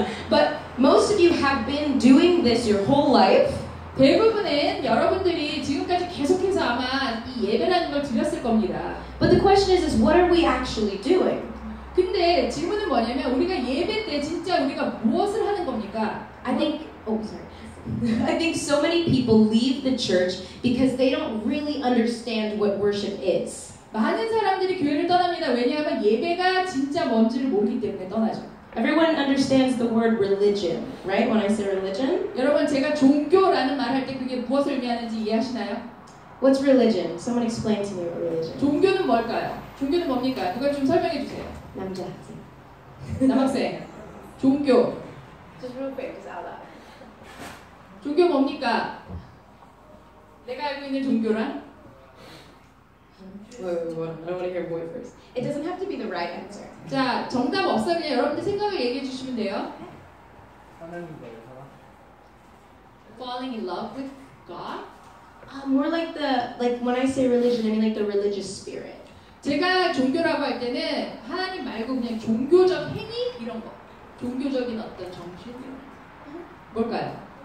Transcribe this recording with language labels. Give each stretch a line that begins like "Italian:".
English: But most of you have been doing this your whole life.
Korean: 대부분은 여러분들이 지금까지 계속해서 아마 이 예배라는 걸 드렸을 겁니다.
English: But the question is what are we actually doing?
Korean: 근데 질문은 뭐냐면 우리가 예배 때 진짜 우리가 무엇을 하는 겁니까?
English: I think so many people leave the church because they don't really understand what worship is.
Korean: 많은 사람들이 교회를 떠납니다. 왜냐하면 예배가 진짜 뭔지를 모르기 때문에 떠나죠.
English: Everyone understands the word religion, right? When I say religion?
Korean: 여러분 제가 종교라는 말 할 때 그게 무엇을 의미하는지 이해하시나요?
English: What's religion? Someone explain to me what religion.
Korean: 종교는 뭘까요? 종교는 뭡니까? 누가 좀 설명해 주세요. 남자 학생 종교
English: Just real quick, just out loud
Korean: 종교 뭡니까? 내가 알고 있는 종교란?
English: Wait, I don't want to hear boy first It doesn't have to be the right answer
Korean: 자, 정답 없어 그냥 여러분들 생각을 얘기해 주시면 돼요 하나님께서
English: Falling in love with God? More like the, like when I say religion, I mean like the religious spirit
Korean: 제가 종교라고 할 때는 하나님 말고 그냥 종교적 행위 이런 거 종교적인 어떤 정신 이런 거 뭘까요?